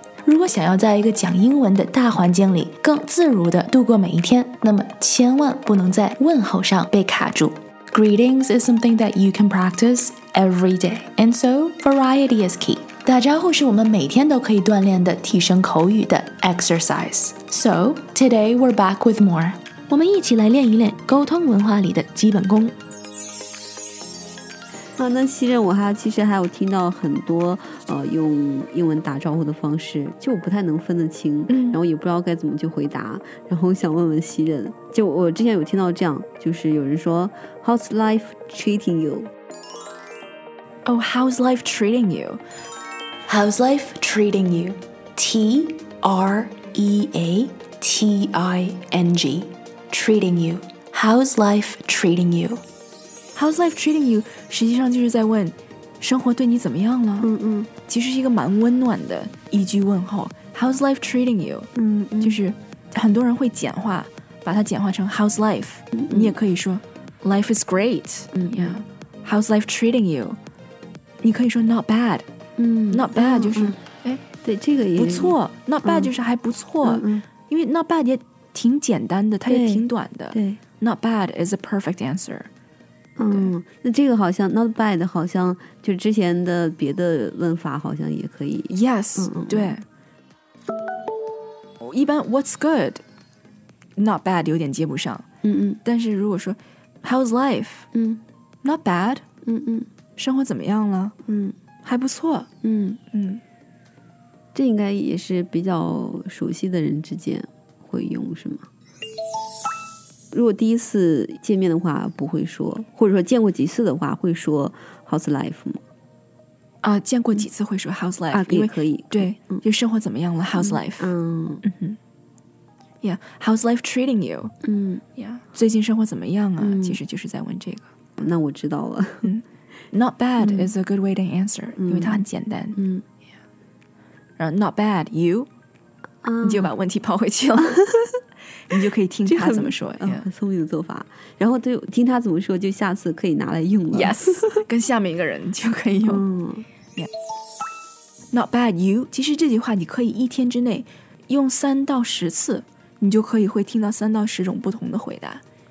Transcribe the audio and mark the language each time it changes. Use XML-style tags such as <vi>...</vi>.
<zh>如果想要在一个讲英文的大环境里更自如地度过每一天，那么千万不能在问候上被卡住。</zh> <en>Greetings is something that you can practice every day, and so variety is key.</en> <zh>打招呼是我们每天都可以锻炼的提升口语的 exercise.</zh> <en>So, today we're back with more.</en> <zh>我们一起来练一练沟通文化里的基本功。好，那西任，我还其实还有听到很多用英文打招呼的方式，就我不太能分得清，然后也不知道该怎么去回答，然后想问问西任，就我之前有听到这样，就是有人说</zh> <en>How's life treating you? Oh, how's life treating you? How's life treating you? T-R-E-A-T-I-N-G Treating you. How's life treating you? How's life treating you?</en> <zh>实际上就是在问生活对你怎么样了。嗯嗯，其实是一个蛮温暖的一句问候。</zh> <en>How's life treating you? 嗯嗯，</en> <zh>就是很多人会简化，把它简化成</zh> <en>How's life? 嗯嗯，</en> <zh>你也可以说</zh> <en>Life is great. 嗯 yeah. How's life treating you?</en> <zh>你可以说</zh> <en>Not bad. 嗯 Not bad</en> <zh>就是对这个也不错。</zh> <en>Not bad</en> <zh>就是还不错。嗯，因为</zh> <en>Not bad</en> <zh>也挺简单的，它也挺短的。对</zh> <en>Not bad is a perfect answer.</en> <zh>嗯，那这个好像 not bad 好像就之前的别的问法好像也可以</zh> <en>yes 嗯嗯，</en> <zh>对，一般</zh> <en>what's good not bad</en> <zh>有点接不上。嗯嗯，但是如果说</zh> <en>how's life 嗯 not bad 嗯嗯，</en> <zh>生活怎么样了，嗯，还不错，嗯嗯，这应该也是比较熟悉的人之间会用是吗？如果第一次见面的话不会说，或者说见过几次的话会说</zh> <en>How's life</en> <zh>吗？啊，见过几次会说</zh> <en>How's life、</en> <zh>嗯、因为啊，可以，对、嗯、就生活怎么样了</zh> <en>How's life 嗯嗯 Yeah, How's life treating you? 嗯 Yeah,</en> <zh>最近生活怎么样啊、嗯、其实就是在问这个。那我知道了、</zh> <en>嗯、Not bad、嗯、is a good way to answer、嗯、</en> <zh>因为它很简单。嗯</zh> <en>Yeah,</en> <zh>然后</zh> <en>Not bad, you、啊、</en> <zh>你就把问题抛回去了你就可以听他怎么说、yeah. 很聪明的做法，然后就听他怎么说就下次可以拿来用了 yes 跟下面一个人就可以用、嗯 yeah.</zh> <en>Not bad you</en> <zh>其实这句话你可以一天之内用三到十次，你就可以会听到三到十种不同的回答、</zh>